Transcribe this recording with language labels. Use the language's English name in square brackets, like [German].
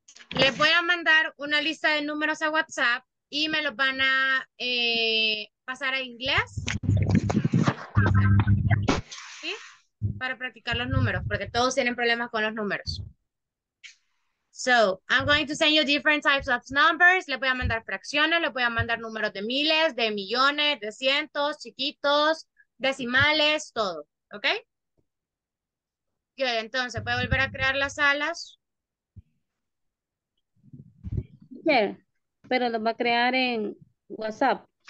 [Spanish] Les voy a mandar una lista de números a WhatsApp y me los van a pasar a inglés. ¿Sí? Para practicar los números, porque todos tienen problemas con los números. [English] So, I'm going to send you different types of numbers. [Spanish] Le voy a mandar fracciones, le voy a mandar números de miles, de millones, de cientos, chiquitos, decimales, todo. ¿Ok? [English] Good. [Spanish] Entonces, voy a volver a crear las salas. Yeah, pero lo va a crear en WhatsApp.